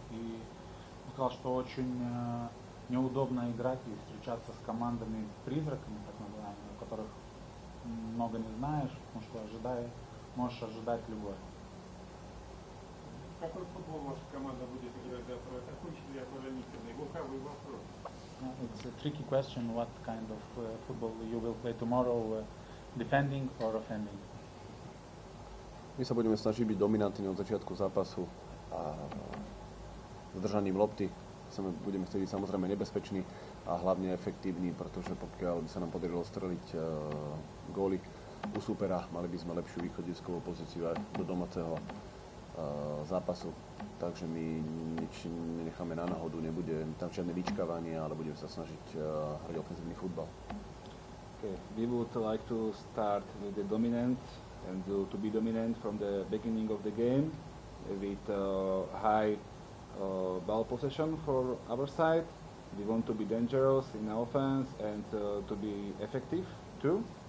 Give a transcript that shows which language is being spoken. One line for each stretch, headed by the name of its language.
Russian: И сказал, что очень неудобно играть и встречаться с командами-призраками, так называемыми, о которых много не знаешь, потому что можешь ожидать любое. Какой футбол ваша команда будет играть завтра? Атакующий или оборонительный? Глухавый вопрос.
English: It's a tricky question, what kind of football you will play tomorrow, defending or offending?
Slovak: My sa budeme snažiť byť dominantní od začiatku zápasu a zdržaním lopty. Budeme chcieť byť samozrejme nebezpeční a hlavne efektívni, pretože pokiaľ by sa nám podarilo streliť góly u supera, mali by sme lepšiu východiskovú pozíciu aj do domáceho zápasu. Takže my nič nenecháme na náhodu, nebude tam žiadne vyčkávanie, ale budeme sa snažiť hrať ofenzívny futbal.
English: We would like to start with the dominant and to be dominant from the beginning of the game with high ball possession for our side. We want to be dangerous in offense and to be effective too.